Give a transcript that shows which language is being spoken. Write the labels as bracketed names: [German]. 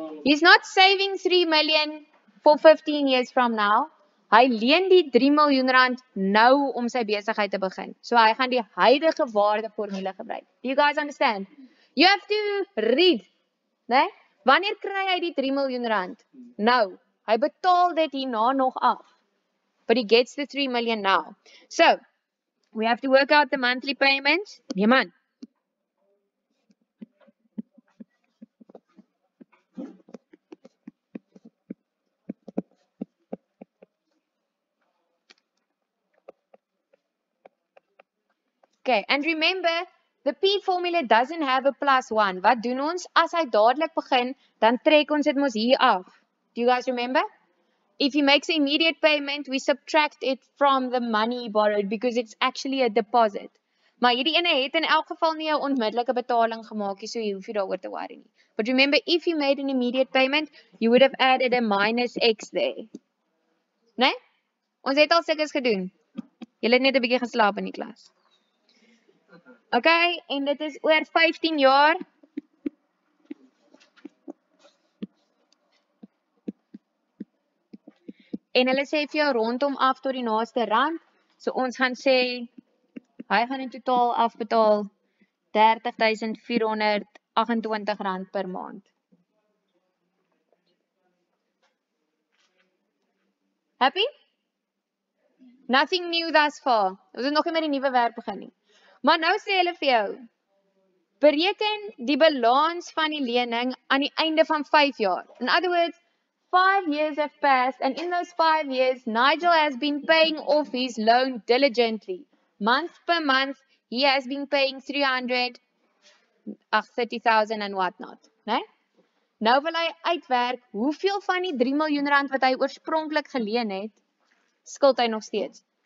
[English] He's not saving 3 million for 15 years from now. [Afrikaans] Hy leen die 3 miljoen rand nou om sy besigheid te begin. So hy gaan die huidige waarde formule gebruik. [English] Do you guys understand? You have to read. [Afrikaans] Ne? Wanneer kry hy die 3 miljoen rand? Nou. Hy betaal dit hierna nog af. [English] But he gets the 3 million now. So, we have to work out the monthly payments. [Afrikaans] Nee man. [English] Okay, and remember, the P formula doesn't have a plus 1. [Afrikaans] Wat doen ons? As hy dadelik begin, dan trek ons dit mos hier af. [English] Do you guys remember? If he makes an immediate payment, we subtract it from the money he borrowed because it's actually a deposit. [Afrikaans] Maar hierdie ene het in elk geval nie 'n onmiddellike betaling gemaak nie, so jy hoef nie daaroor te worry nie. [English] But remember, if you made an immediate payment, you would have added a minus x there. [Afrikaans] Né? Ons het al sukkels gedoen. Julle het net 'n bietjie geslaap in die klas. Okay, en dit is oor 15 jaar. En hulle sê vir jou rondom af tot die naaste rand. So ons gaan sê, hy gaan in totaal afbetaal R30,428 per maand. [English] Happy? Nothing new thus far. [Afrikaans] Ons het nog nie met die nuwe werk begin nie. Maar nou sê hulle vir jou, bereken die balans van die lening aan die einde van 5 jaar. [English] In other words, 5 years have passed, and in those 5 years, Nigel has been paying off his loan diligently. Month per month, he has been paying 330,000 and whatnot. [Afrikaans] Nee? Nou wil hy uitwerk, hoeveel van die 3 miljoen rand wat hy oorspronkelijk geleen het, skuld hy nog steeds.